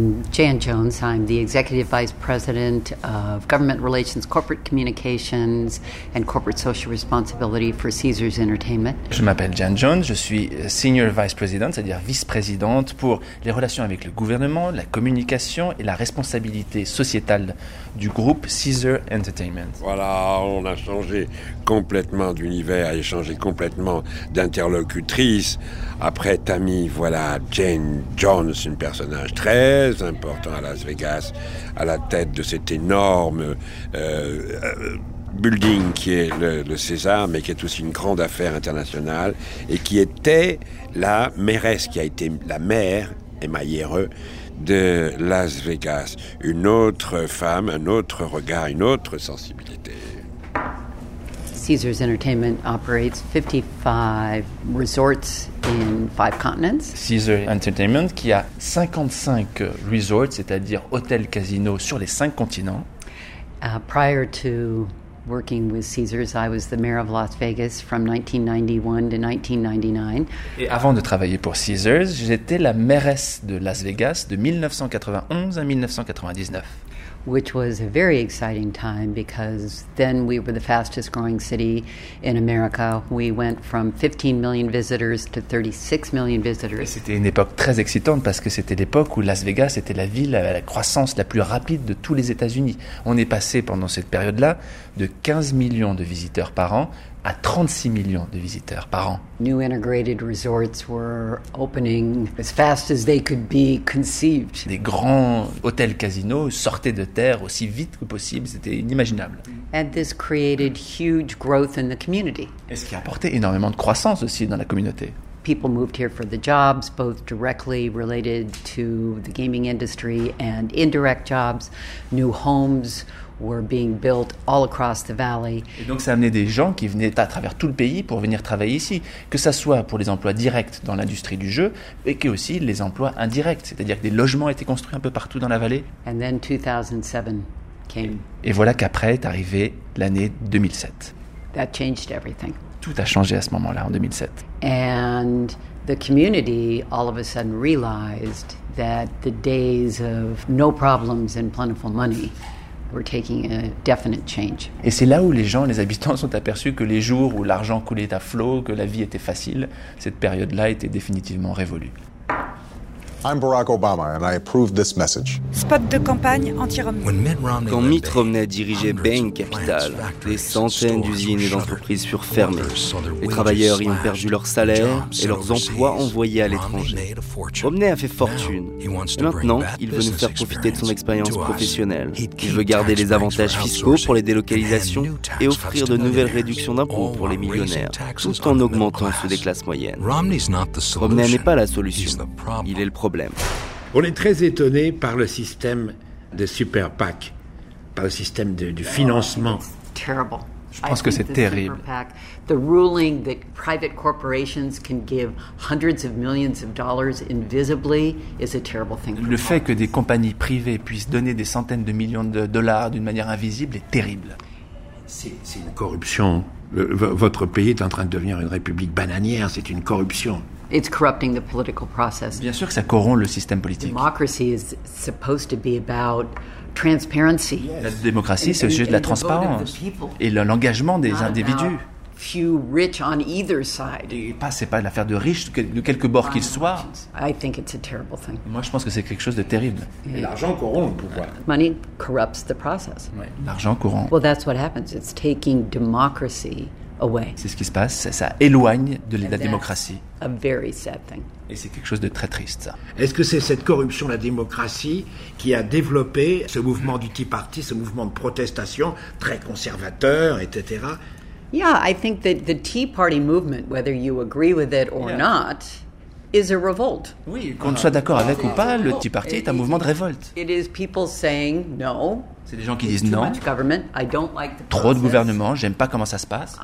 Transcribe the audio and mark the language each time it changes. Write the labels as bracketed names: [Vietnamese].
[English] Jan Jones, I'm the Executive Vice President of Government Relations, Corporate Communications and Corporate Social Responsibility for Caesars Entertainment. [French] Je m'appelle Jan Jones, je suis Senior Vice President, c'est-à-dire vice-présidente pour les relations avec le gouvernement, la communication et la responsabilité sociétale du groupe Caesars Entertainment. Voilà, on a changé complètement d'univers et changé complètement d'interlocutrice. Après Tammy, voilà Jane Jones, un personnage très important à Las Vegas, à la tête de cet énorme building qui est le César, mais qui est aussi une grande affaire internationale, et qui était la mairesse, qui a été la maire, M-A-I-R-E, de Las Vegas. Une autre femme, un autre regard, une autre sensibilité. [English] Caesars Entertainment operates 55 resorts in 5 continents. [French] Caesars Entertainment qui a 55 resorts, c'est-à-dire hôtels, casinos sur les 5 continents. [English] Prior to working with Caesars, I was the mayor of Las Vegas from 1991 to 1999. [French] Et avant de travailler pour Caesars, j'étais la mairesse de Las Vegas de 1991 à 1999. [English] Which was a very exciting time because then we were the fastest growing city in America. We went from 15 million visitors to 36 million visitors. [French] Et c'était une époque très excitante parce que c'était l'époque où Las Vegas était la ville à la croissance la plus rapide de tous les États-Unis. On est passé pendant cette période-là de 15 millions de visiteurs par an à 36 millions de visiteurs par an. [English] New integrated resorts were opening as fast as they could be conceived. [French] Des grands hôtels casinos sortaient de terre aussi vite que possible, c'était inimaginable. [English] And this created huge growth in the community. [French] Et ce qui a apporté énormément de croissance aussi dans la communauté. [English] People moved here for the jobs, both directly related to the gaming industry and indirect jobs, new homes were being built all across the valley. [French] Et donc ça amenait des gens qui venaient à travers tout le pays pour venir travailler ici, que ça soit pour les emplois directs dans l'industrie du jeu et que aussi les emplois indirects, c'est-à-dire que des logements étaient construits un peu partout dans la vallée. [English] And then 2007 came. [French] Et voilà qu'après est arrivée l'année 2007. [English] That changed everything. [French] Tout a changé à ce moment-là en 2007. [English] And the community all of a sudden realized that the days of no problems and plentiful money were taking a definite change. [French] Et c'est là où les gens, les habitants, sont aperçus que les jours où l'argent coulait à flot, que la vie était facile, cette période-là était définitivement révolue. [English] I'm Barack Obama and I approve this message. [French] Spot de campagne anti-Romney. Quand Mitt Romney dirigeait Bain Capital, des centaines d'usines et d'entreprises furent fermées. Les travailleurs y ont perdu leur salaire et leurs emplois envoyés à l'étranger. Romney a fait fortune. Et maintenant, il veut nous faire profiter de son expérience professionnelle. Il veut garder les avantages fiscaux pour les délocalisations et offrir de nouvelles réductions d'impôts pour les millionnaires, tout en augmentant ceux des classes moyennes. Romney n'est pas la solution. Il est le problème. On est très étonné par le système de super PAC, par le système du financement. Terrible. Je pense que c'est terrible. [English] The ruling that private corporations can give hundreds of millions of dollars invisibly is a terrible thing. [French] Le fait que des compagnies privées puissent donner des centaines de millions de dollars d'une manière invisible est terrible. C'est une corruption. Votre pays est en train de devenir une république bananière. C'est une corruption. [English] It's corrupting the political process. [French] Bien sûr que ça corrompt le système politique. [English] Democracy is supposed to be about transparency. [French] La démocratie, c'est le sujet de la transparence et l'engagement des individus. [English] Few rich on either side. [French] C'est pas l'affaire de riches, de quelque bord qu'ils soient. [English] I think it's a terrible thing. [French] Moi, je pense que c'est quelque chose de terrible. Et l'argent corrompt le pouvoir. [English] Money corrupts the process. [French] Ouais. L'argent corrompt. [English] Well, that's what happens. It's taking democracy away. [French] C'est ce qui se passe, ça éloigne de la démocratie. [English] A very sad thing. [French] Et c'est quelque chose de très triste, ça. Est-ce que c'est cette corruption de la démocratie qui a développé ce mouvement du Tea Party, ce mouvement de protestation très conservateur, etc.? [English] Yeah, I think that the Tea Party movement, whether you agree with it or not, is a revolt. [French] Oui, qu'on soit d'accord avec ou pas, le Tea Party est un mouvement de révolte. [English] It is people saying no. [French] C'est des gens qui disent non. [English] Too much government. I don't like the [French] trop de gouvernement, j'aime pas comment ça se passe.